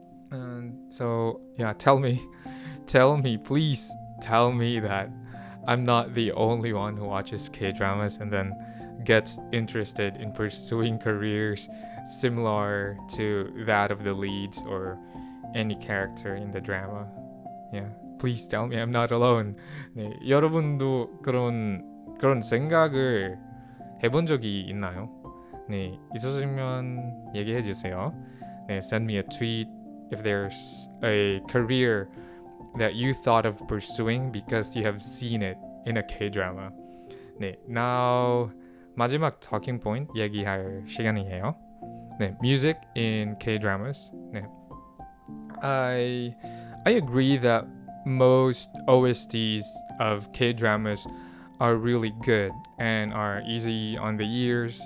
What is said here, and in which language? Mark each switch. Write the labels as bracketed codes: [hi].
[en] And so, yeah, please tell me that I'm not the only one who watches K-dramas and then gets interested in pursuing careers similar to that of the leads or any character in the drama. Yeah, please tell me I'm not alone. [ko] 네, 여러분도 그런 생각을 해본 적이 있나요? 네, 있으시면 얘기해 주세요. [en] 네, send me a tweet if there's a career that you thought of pursuing because you have seen it in a K-drama. [ko] 네, now 마지막 talking point 얘기할 시간이에요. [en] 네, music in K-dramas. 네, I agree that most OSTs of K-dramas are really good and are easy on the ears.